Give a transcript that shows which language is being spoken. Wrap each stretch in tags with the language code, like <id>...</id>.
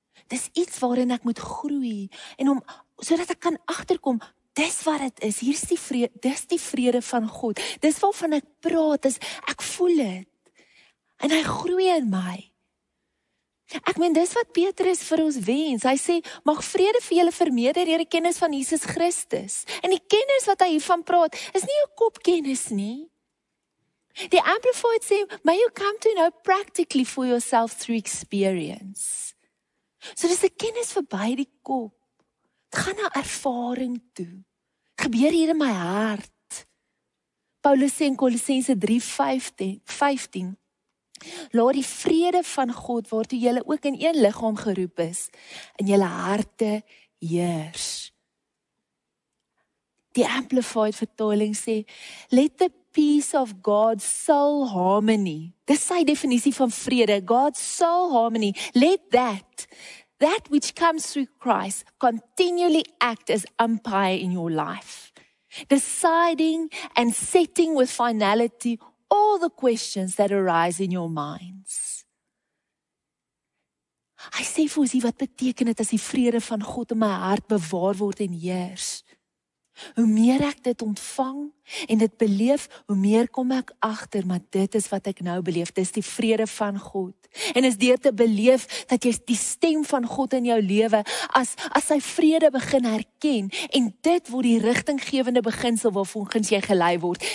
<af>Dis iets waarin ek moet groei, en om, so dat ek kan agterkom, dis wat het is, hier is die vrede, dis die vrede van God, dis waarvan ek praat, is ek voel het, en hy groei in my. Ek meen, dis wat Petrus vir ons wens. Hy sê, mag vrede vir julle vermeerder deur die kennis van Jesus Christus. En die kennis wat hy hiervan praat, is nie jou kopkennis nie. Die Amplified sê,</af> <en>may you come to know practically for yourself through experience.</en> <af>So dis die kennis verby die kop. Het gaan na ervaring toe. Gebeur hier in my hart. Paulus sê in Kolossense 3:15, laat die vrede van God, waartoe julle ook in een liggaam geroep is, in julle harte heers. Die Amplified vertaling sê,</af> <en>let the peace of God's soul harmony,</en> <af>dis sy definisie van vrede,</af> <en>God's soul harmony, let that which comes through Christ, continually act as umpire in your life, deciding and setting with finality all the questions that arise in your minds.</en> <af>Hy sê vir ons, wat beteken dit as die vrede van God in my hart bewaar word en heers? Hoe meer ek dit ontvang en dit beleef, hoe meer kom ek agter, maar dit is wat ek nou beleef, dis die vrede van God. En is deur te beleef dat jy die stem van God in jou lewe as sy vrede begin herken, en dit word die rigtinggewende beginsel waarvolgens jy gelei word.</af>